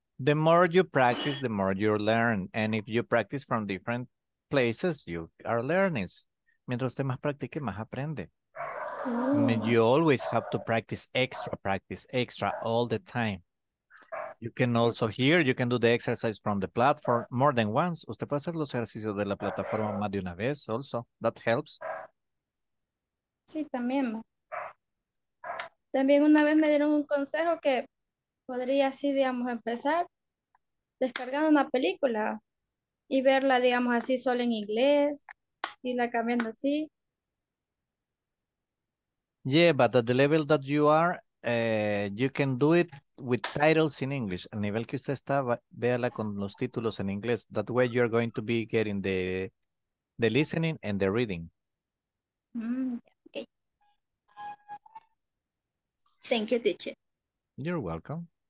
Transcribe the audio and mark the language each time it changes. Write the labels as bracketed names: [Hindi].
[English] The more you practice, the more you learn. And if you practice from different places, you are learning. [Spanish] Mientras usted más practique, más aprende. [English] You always have to practice extra all the time. You can also hear, you can do the exercise from the platform more than once. [Spanish] Usted puede hacer los ejercicios de la plataforma más de una vez [English] also. That helps. [Spanish] Sí, también. También una vez me dieron un consejo que podría así, digamos, empezar descargando una película y verla, digamos, así solo en inglés y la cambiando así. [English] Yeah, but at the level that you are, you can do it with titles in English. [Spanish] Al nivel que usted está, véala con los títulos en inglés. [English] That way you are going to be getting the listening and the reading. Okay. Thank you, teacher. You're welcome.